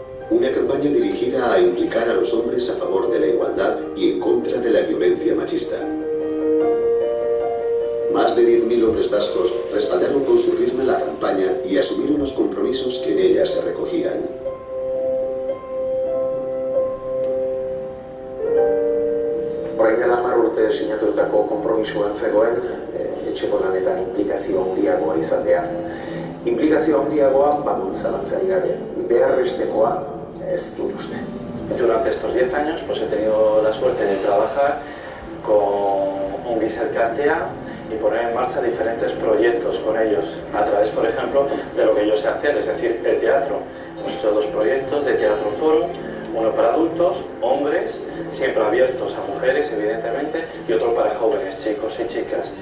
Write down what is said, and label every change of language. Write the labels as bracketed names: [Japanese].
[Spanish] Una campaña dirigida a implicar a los hombres a favor de la igualdad y en contra de la violencia machista. Más de 10.000 hombres vascos respaldaron con su firma la campaña y asumieron los compromisos que en ella se recogían. [Basque] Orain dela hamar urte sinatutako konpromisoan zegoen, etxeko lanetan implikazio handiagoa izatea. Implikazio handiagoa baldintza batzaileari gabe, beharrestekoa. [Spanish] Durante estos 10 años pues he tenido la suerte de trabajar con Ungis Elkartea y poner en marcha diferentes proyectos con ellos a través, por ejemplo, de lo que ellos hacen, es decir, el teatro. Hemos hecho dos proyectos de teatro foro, uno para adultos, hombres, siempre abiertos a mujeres, evidentemente, y otro para jóvenes, chicos y chicas.